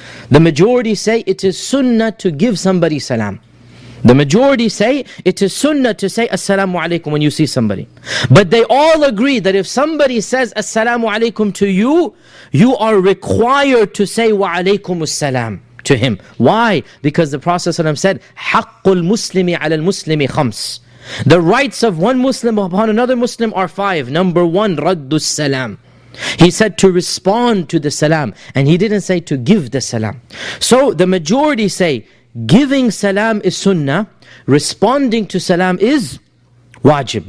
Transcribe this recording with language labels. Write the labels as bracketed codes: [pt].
[en] The majority say it is sunnah to give somebody salam. The majority say it is sunnah to say assalamu alaikum when you see somebody. But they all agree that if somebody says assalamu alaikum to you, you are required to say wa alaikum assalam to him. Why? Because the Prophet ﷺ said, [ar] حَقُّ الْمُسْلِمِ عَلَى الْمُسْلِمِ خَمْسِ. [en] The rights of one Muslim upon another Muslim are five. Number one, [ar] رَدُّ السَّلَامِ. [en] He said to respond to the salam. And he didn't say to give the salam. So the majority say, giving salam is sunnah, responding to salam is wajib.